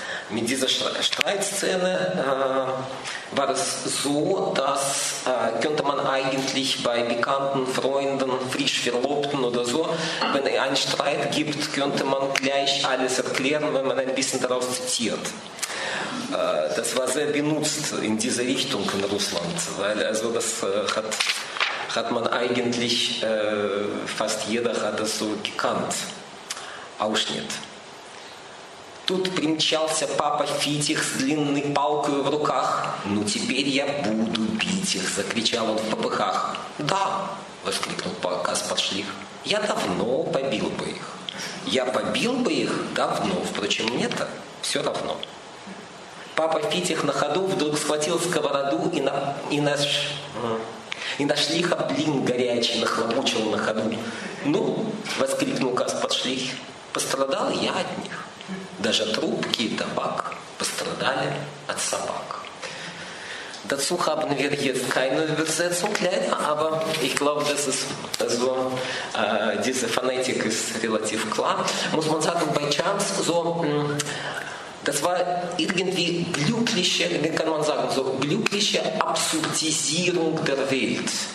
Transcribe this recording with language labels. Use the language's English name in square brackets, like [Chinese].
[German] Mit dieser Streitszene war es so, dass könnte man eigentlich bei bekannten Freunden, frisch Verlobten oder so, wenn es einen Streit gibt, könnte man gleich alles erklären, wenn man ein bisschen daraus zitiert. Das war sehr benutzt in dieser Richtung in Russland, weil also das hat man eigentlich, fast jeder hat das so gekannt, Ausschnitt. [Russian] Тут примчался папа Фитих с длинной палкой в руках. «Ну, теперь я буду бить их!» — закричал он в попыхах. «Да!» — воскликнул Каспар Шлих. «Я давно побил бы их!» «Я побил бы их давно! Впрочем, мне-то все равно!» Папа Фитих на ходу вдруг схватил сковороду и на Шлиха блин горячий нахлобучил на ходу. «Ну!» — воскликнул Каспар Шлих. «Пострадал я от них!» Даже трубки и табак пострадали от собак. [German] Dazu haben wir jetzt keine Übersetzung leider, aber ich glaube, das ist so, diese Phonetik ist relativ klar. Muss man sagen, bei Chance, so, das war irgendwie glückliche, wie kann man sagen, so glückliche Absurdisierung der Welt.